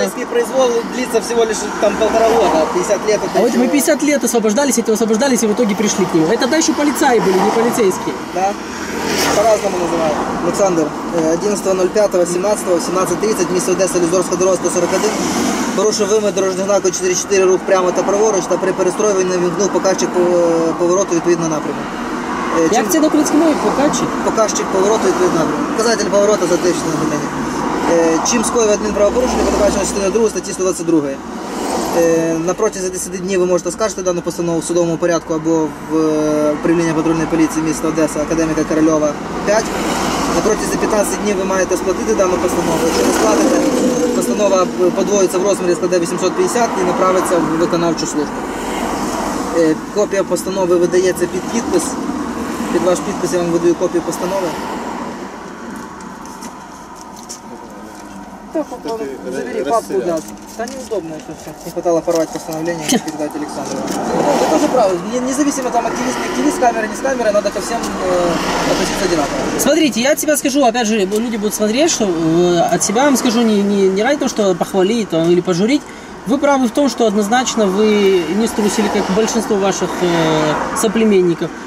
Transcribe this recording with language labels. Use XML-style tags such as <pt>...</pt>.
<ru>Полицейский произвол длится всего лишь там полтора года, 50 лет. А вот мы 50 лет освобождались и в итоге пришли к нему. Это дальше полицаи были, не полицейские. Да, по-разному называют. Александр, 11.05.17, 17.30, мисс Одесса, Лизорская дорога, 141.</ru> <uk>Порушив вимоги дорожнього знаку 4.4, рух прямо та праворуч, та при перестроюванні не вимкнув показчик повороту відповідно напряму. Як це на українській мові? Показчик? Показчик повороту відповідно напряму.</uk> <ru>Показатель поворота</ru> <uk>за тисячу на мене. Чим скоїв адмінправопорушення, передбачено частиною 2 статті 122. Напротязі 10 днів ви можете скаржити дану постанову в судовому порядку або в управління патрульної поліції міста Одеса, академіка Корольова 5. Напротязі 15 днів ви маєте сплатити дану постанову. Якщо не сплатите, постанова подвоїться в розмірі, складе 850 і направиться в виконавчу службу. Копія постанови видається під підпис. Під ваш підпис я вам видаю копію постанови. Забери папку, да. Та</uk> <ru>неудобно, не хватало</ru> <uk>порвати постановлення і передати Олександру.</uk> <ru>тоже право. Независимо там активист камеры, не с камеры, надо ко всем относиться одинаково. Смотрите, я от себя скажу, опять же, люди будут смотреть, что от себя вам скажу не ради того, что похвалить или пожурить. Вы правы в том, что однозначно вы не струсили, как большинство ваших соплеменников.</ru>